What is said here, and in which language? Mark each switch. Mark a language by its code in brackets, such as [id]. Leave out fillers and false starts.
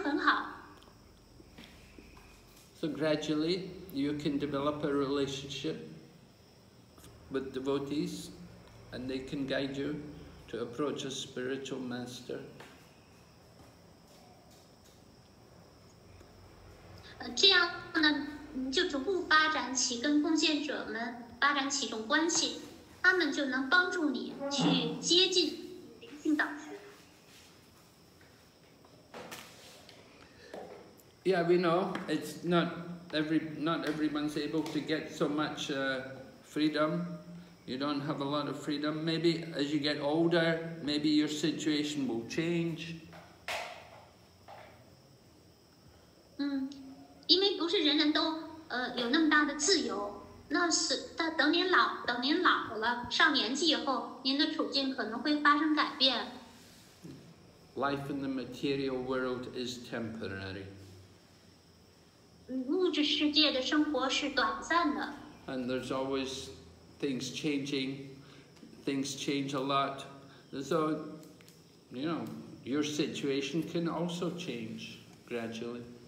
[zh] 您继续就在网上听课，然后在网上联谊，然后其他的就是您自己要去读书、念诵、供奉食物，这很好。 [en] So gradually you can develop a relationship with devotees, and they can guide you to approach a spiritual master. [zh] 这样呢？就逐步发展起跟奉献者们发展起一种关系，他们就能帮助你去接近灵性导师。 [en] Yeah, we know it's not everyone's able to get so much freedom. you don't have a lot of freedom. Maybe as you get older, maybe your situation will change. [zh] 因为不是人人都有那么大的自由，那是等您老了，上年纪以后，您的处境可能会发生改变。 [en] Life in the material world is temporary. [zh] 物质世界的生活是短暂的。 [en] And there's always things changing, things change a lot. So, you know, your situation can also change gradually.